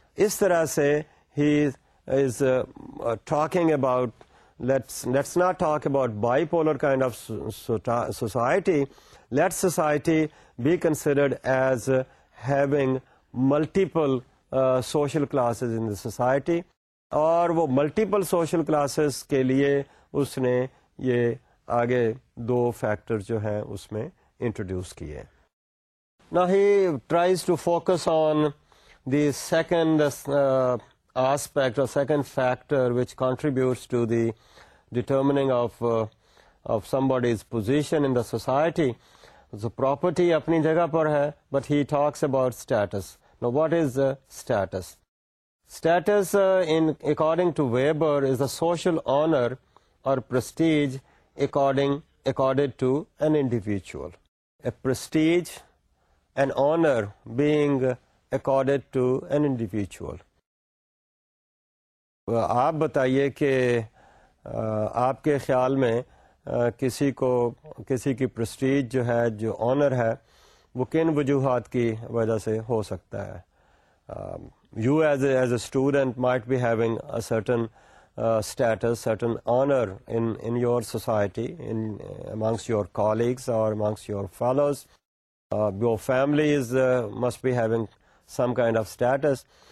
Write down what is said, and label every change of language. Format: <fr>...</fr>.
<en>اس طرح سے ہی is talking about, let's not talk about bipolar kind of society, let society be considered as having multiple social classes in the society.</en> <ur>اور وہ multiple social classes کے لیے اس نے یہ آگے دو فیکٹر جو ہیں اس میں انٹروڈیوس کیے.</ur> <en>Now he tries to focus on the second aspect or second factor which contributes to the determining of somebody's position in the society. So property</en> <ur>اپنی جگہ پر ہے,</ur> <en>but he talks about status. Now what is status? Status in according to Weber is a social honor or prestige accorded to an individual. A prestige, an honor being accorded to an individual.</en> <ur>آپ بتائیے کہ آپ کے خیال میں کسی کو کسی کی پرسٹیج جو ہے, جو آنر ہے, وہ کن وجوہات کی وجہ سے ہو سکتا ہے؟</ur> <en>You as a student might be having a certain status, certain honor in your society, in amongst your colleagues or amongst your fellows. Your family is must be having some kind of status.</en>